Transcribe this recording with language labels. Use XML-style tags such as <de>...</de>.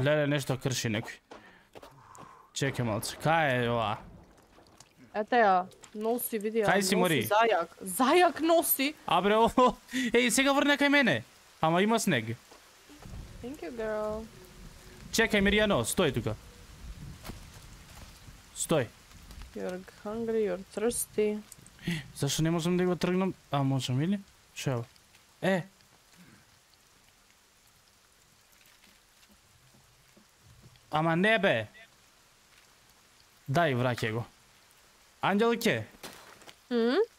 <mk>Леле, нешто крши некој. Чекај малце, кај е ова? Ете ја, носи, види ја, кај си мори? Зајак. Зајак носи! Абре, ово, еј, сега врне кај мене. Ама има снег.</mk> <en>Thank you, girl.</en> <mk>Чекај, Мирјано, стој тука. Стој.</mk> <en>You're hungry, you're thirsty.</en> <mk>Зашто не можам да го тргнам? А, можам, или? Шо е ово? Е! Ама не бе! Дај, враќе го. Анѓелке! Мм?</mk>